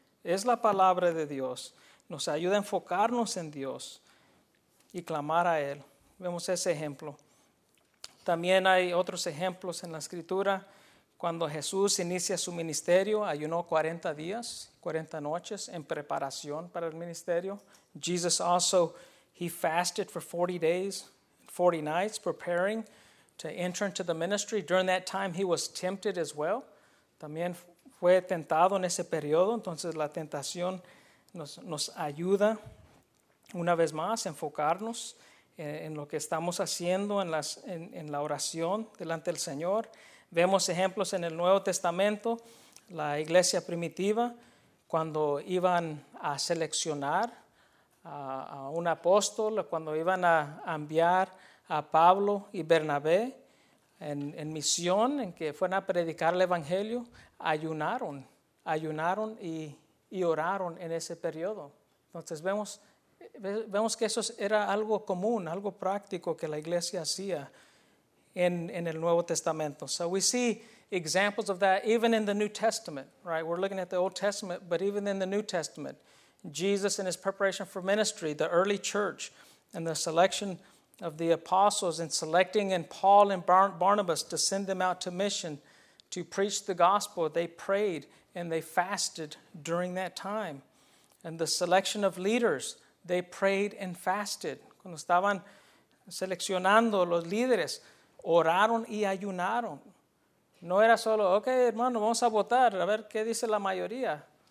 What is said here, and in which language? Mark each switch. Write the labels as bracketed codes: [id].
[es] Es la palabra de Dios. Nos ayuda a enfocarnos en Dios y clamar a Él. Vemos ese ejemplo. También hay otros ejemplos en la escritura. Cuando Jesús inicia su ministerio, ayunó 40 días, 40 noches en preparación para el ministerio. [en] Jesus also, he fasted for 40 days, 40 nights, preparing to enter into the ministry. During that time, he was tempted as well. [es] También fue tentado en ese periodo. Entonces, la tentación nos ayuda, una vez más, a enfocarnos en lo que estamos haciendo en la oración delante del Señor. Vemos ejemplos en el Nuevo Testamento, la iglesia primitiva, cuando iban a seleccionar a un apóstol, cuando iban a enviar a Pablo y Bernabé en misión, en que fueran a predicar el Evangelio, ayunaron y oraron en ese periodo. Entonces vemos que eso era algo común, algo práctico que la iglesia hacía en el Nuevo Testamento. [en] So we see examples of that even in the New Testament, right? We're looking at the Old Testament, but even in the New Testament, Jesus in his preparation for ministry, the early church and the selection of the apostles and selecting and Paul and Barnabas to send them out to mission to preach the gospel, they prayed and they fasted during that time. And the selection of leaders, they prayed and fasted. [es] Cuando estaban seleccionando los líderes, oraron y ayunaron. No era solo, okay, hermano, vamos a votar, a ver qué dice la mayoría.